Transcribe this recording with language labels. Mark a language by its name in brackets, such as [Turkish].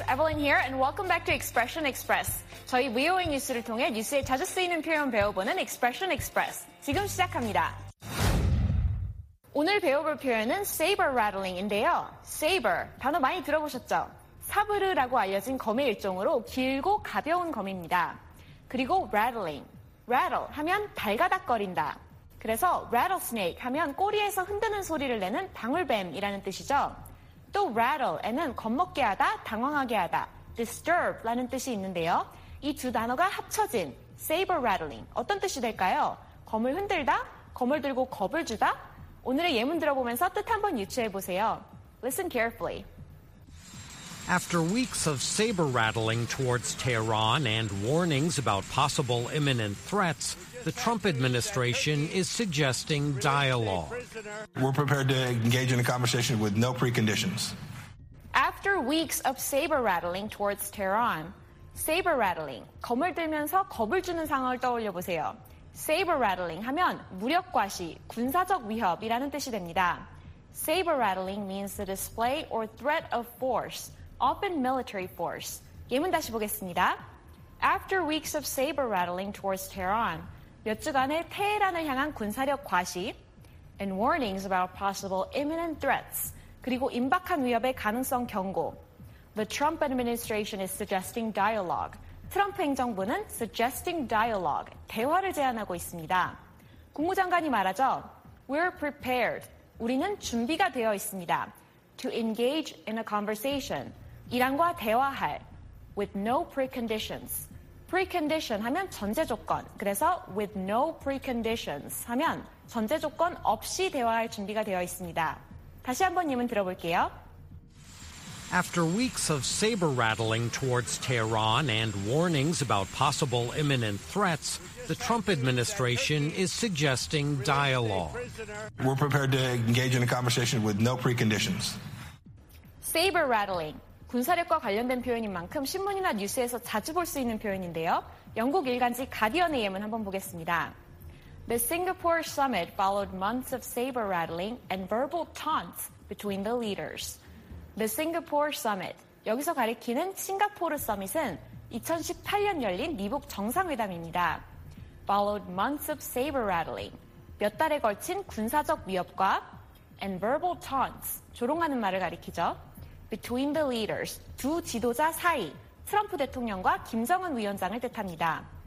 [English] Here and welcome back to Expression Express. [Korean] 저희 VOA 뉴스를 통해 뉴스에 자주 쓰이는 표현 배워보는 Expression Express. 지금 시작합니다. 오늘 배워볼 표현은 saber rattling인데요. Saber, 단어 많이 들어보셨죠? 사브르라고 알려진 검의 일종으로 길고 가벼운 검입니다. 그리고 rattling. rattle 하면 발가닥거린다. 그래서 rattlesnake 하면 꼬리에서 흔드는 소리를 내는 방울뱀이라는 뜻이죠. 또 rattle에는 겁먹게 하다, 당황하게 하다, disturb라는 뜻이 있는데요. 이 두 단어가 합쳐진 saber rattling 어떤 뜻이 될까요? 검을 흔들다, 검을 들고 겁을 주다? 오늘의 예문 들어보면서 뜻 한번 유추해 보세요. [English] Listen carefully. After weeks of saber rattling towards Tehran and warnings about possible imminent threats, the Trump administration is suggesting dialogue. We're prepared to engage in a conversation with no preconditions. After weeks of saber rattling towards Tehran, saber rattling, [Korean] 검을 들면서 겁을 주는 상황을 떠올려 보세요. Saber rattling 하면 무력과시, 군사적 위협이라는 뜻이 됩니다. [English] Saber rattling means the display or threat of force, often military force. [Korean] 예문 다시 보겠습니다. [English] After weeks of saber rattling towards Tehran, [Korean] 몇 주간의 테헤란을 향한 군사력 과시 [English] and warnings about possible imminent threats [Korean] 그리고 임박한 위협의 가능성 경고 [English] The Trump administration is suggesting dialogue [Korean] 트럼프 행정부는 [English] suggesting dialogue [Korean] 대화를 제안하고 있습니다 국무장관이 말하죠 [English] We're prepared [Korean] 우리는 준비가 되어 있습니다 [English] To engage in a conversation [Korean] 이란과 대화할 [English] With no preconditions Precondition [Korean] 하면 전제조건. 그래서 [English] with no preconditions [Korean] 하면 전제조건 없이 대화할 준비가 되어 있습니다. 다시 한번 예문 들어볼게요. [English] After weeks of saber rattling towards Tehran and warnings about possible imminent threats, the Trump administration is suggesting dialogue. We're prepared to engage in a conversation with no preconditions. Saber rattling. [Korean] 군사력과 관련된 표현인 만큼 신문이나 뉴스에서 자주 볼 수 있는 표현인데요. 영국 일간지 가디언의 예문 한번 보겠습니다. [English] The Singapore summit followed months of saber rattling and verbal taunts between the leaders. The Singapore summit. [Korean] 여기서 가리키는 싱가포르 서밋은 2018년 열린 미국 정상회담입니다. [English] Followed months of saber rattling. [Korean] 몇 달에 걸친 군사적 위협과 [English] and verbal taunts. [Korean] 조롱하는 말을 가리키죠. [English] Between the leaders, [Korean] 두 지도자 사이, 트럼프 대통령과 김정은 위원장을 뜻합니다.